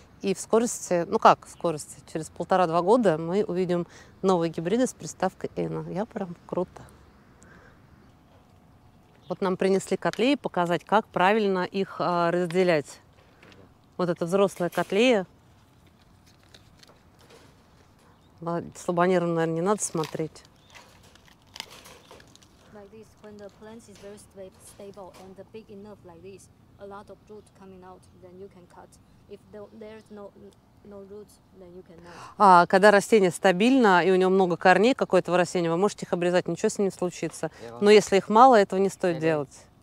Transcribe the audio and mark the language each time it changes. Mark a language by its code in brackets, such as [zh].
[ru] И в скорости, ну как в скорости, через 1.5-2 года мы увидим новые гибриды с приставкой Эна. Я прям круто. Вот нам принесли котлеи показать, как правильно их разделять. Вот это взрослая котлея. Слабонервно, наверное, не надо смотреть. [en] Like this, when the plant is very stable and big enough like this, a lot of root coming out, then you can cut. If there's no roots, then you cannot. [ru] А когда растение стабильно и у него много корней какого-то растения, вы можете их обрезать, ничего с ним не случится. Но если их мало, этого не стоит делать.